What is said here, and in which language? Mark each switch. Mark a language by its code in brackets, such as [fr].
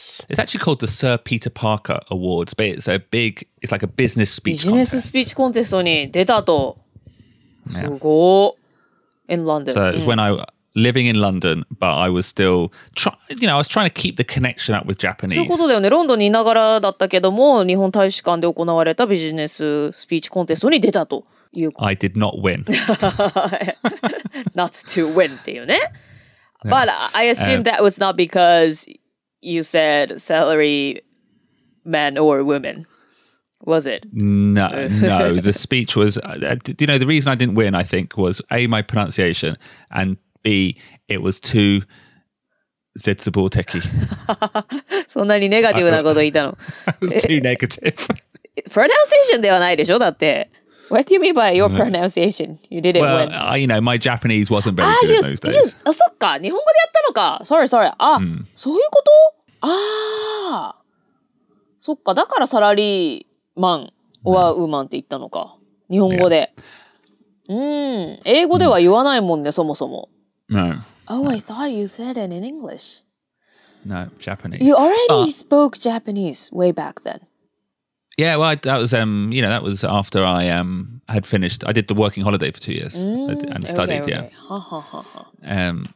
[en] It's actually called the Sir Peter Parker Awards, but it's a big, it's like a business speech business contest. Business speech contest [ja] に出たと。すごい。 [en] In London. So it was when I living in London, but I was still trying, you know, I was trying to keep the connection up with Japanese. [ja] そういうことだよね。ロンドンにいながらだったけども、日本大使館で行われたビジネススピーチコンテストに出たという。 [en] I did not win. not to win [ja] っていうね。 [en] But I assume that was not because... You said salary man or woman, was it? No, no. The speech was, you know, the reason I didn't win, I think, was A, my pronunciation, and B, it was too zetsubou teki. [ja] そんなにネガティブなこと言ったの? [en] It was too negative. pronunciation [ja] ではないでしょ?だって。 [en] What do you mean by your pronunciation? You didn't well, win. Well, you know, my Japanese wasn't very good in those days. あ、そっか。日本語でやったのか。 Sorry, sorry. あ、そういうこと? [ja] あー。そっか。だからサラリーマン、オアウーマンって言ったのか。日本語で。英語では言わないもんね、そもそも。 [en] No. Oh, I thought you said it in English. No, Japanese. You already spoke Japanese way back then. Yeah, well, that was, you know, that was after I had finished. I did the working holiday for 2 years and studied, okay, okay. yeah.